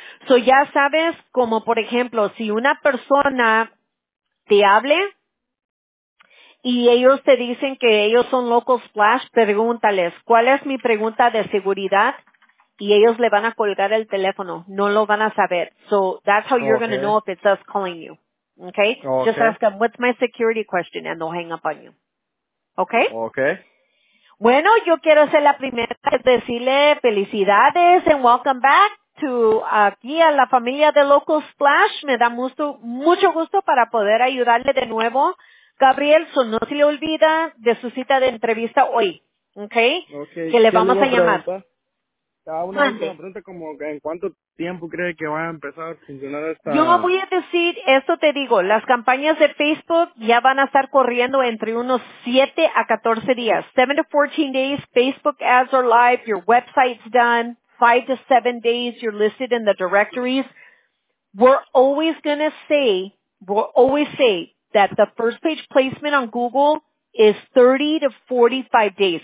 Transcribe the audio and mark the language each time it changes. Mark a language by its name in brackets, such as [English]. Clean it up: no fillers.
[Spanish] So ya sabes, como por ejemplo, si una persona te hable y ellos te dicen que ellos son locos flash, pregúntales, ¿cuál es mi pregunta de seguridad? Y ellos le van a colgar el teléfono, no lo van a saber. [English] So that's how you're going to know if it's us calling you. Okay? Just ask them, what's my security question? And they'll hang up on you. Okay? Okay. [Spanish] Bueno, yo quiero ser la primera en decirle felicidades [English] and welcome back to [Spanish] aquí a la familia de Local Splash. Me da mucho, mucho gusto para poder ayudarle de nuevo. Gabriel, so no se le olvida de su cita de entrevista hoy. [English] Okay? Okay. [Spanish] Que le vamos a llamar. Una última pregunta, como en cuánto tiempo cree que va a empezar a funcionar esta... Yo voy a decir, esto te digo, las campañas de Facebook ya van a estar corriendo entre unos 7 a 14 días. [English] 7 to 14 days, Facebook ads are live, your website's done, 5 to 7 days, you're listed in the directories. We'll always say that the first page placement on Google is 30 to 45 days.